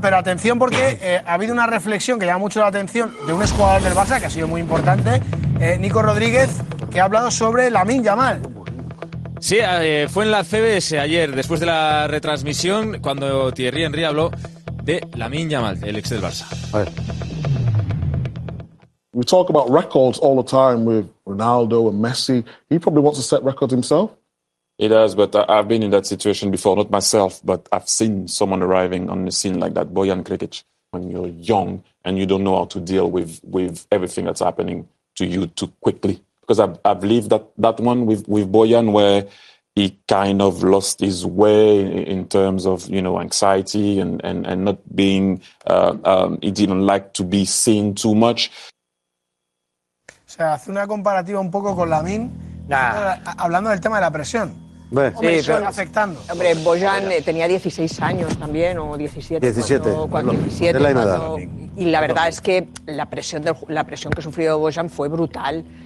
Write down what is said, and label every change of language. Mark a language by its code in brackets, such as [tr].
[es] Pero atención, porque ha habido una reflexión que llama mucho la atención de un exjugador del Barça, que ha sido muy importante, Nico Rodríguez, que ha hablado sobre Lamine Yamal. Sí, fue en la CBS ayer, después de la retransmisión, cuando Thierry Henry habló de Lamine Yamal, el ex del Barça. A ver. [en] We talk about records all the time with Ronaldo and Messi. He probably wants to set records himself. He does, but I've been in that situation before. Not myself, but I've seen someone arriving on the scene like that, Bojan Krikic. When you're young and you don't know how to deal with everything that's happening to you too quickly. Because I've lived that one with Bojan, where he kind of lost his way in terms of, you know, anxiety and not being, he didn't like to be seen too much. [es] O sea, hace una comparativa un poco con Lamine, hablando del tema de la presión. Afectando. Hombre, Bojan tenía 16 años también, o 17. 17. Cuando, y la verdad es que la presión que sufrió Bojan fue brutal.